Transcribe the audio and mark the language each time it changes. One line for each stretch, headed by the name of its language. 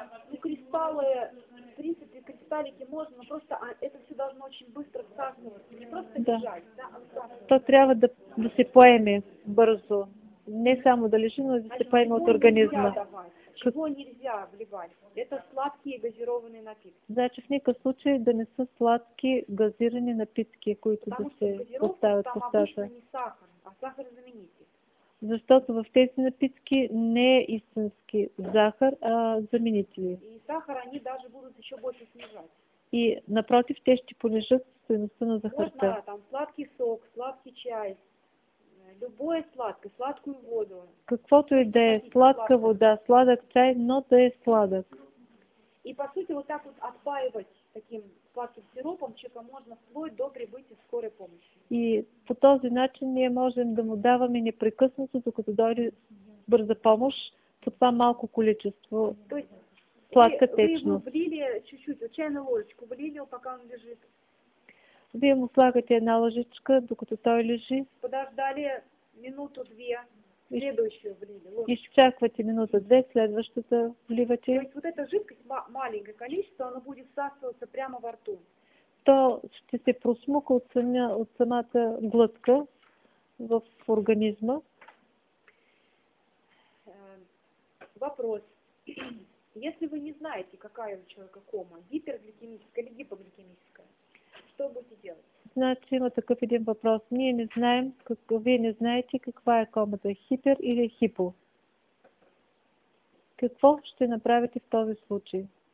Russian: Ну, кристаллы, в принципе, кристаллики можно, но просто это все должно очень быстро всасываться. Не просто лежать,
Bulgarian: То трябва да се поеме бързо. Не само да лежи, но да се поеме от организма.
Russian: Чего нельзя вливать? Это сладкие газированные напитки.
Bulgarian: Значи в никакъв случай да не са сладки газирани напитки, които да се поставят в устата.
Russian: Там обычно не сахар, а сахар заменитель.
Bulgarian: Защото в тези напитки не е истински захар, а заменители.
Russian: И сахар они даже будут еще больше снижать.
Bulgarian: И напротив, те ще понижат стоеността на захарта.
Russian: Можно, там сладкий сок, сладкий чай, любое сладкое, сладкую воду.
Bulgarian: Каквото и да е, сладка вода, сладък чай, но да е сладък.
Russian: И по сути вот так вот отпаивать таким сладким сиропом человека можно вплоть до прибытия скорой помощи.
Bulgarian: И по този начин ние можем да му даваме непрекъснато, докато дойде бърза помощ, по това малко количество. Сладка течно. Вие му
Russian: влили чуть-чуть, чайна ложечка, влили, пока он лежит.
Bulgarian: Вие му слагате една ложечка, докато той лежи.
Russian: Подождали минуту-две, следващия влили.
Bulgarian: Изчаквате минута-две, следващата вливате.
Russian: То есть вот эта жидкость, маленькое количество, она будет всасываться прямо во рту.
Bulgarian: То ще се просмука от самата глътка в организма. Въпрос.
Russian: Если вы не знаете, какая у человека кома, гипергликемическая или гипогликемическая, что будете делать?
Bulgarian: Значи има такъв един въпрос. Ние не знаем, вие не знаете каква е комата, хипер или хипо. Какво ще направите в този случай?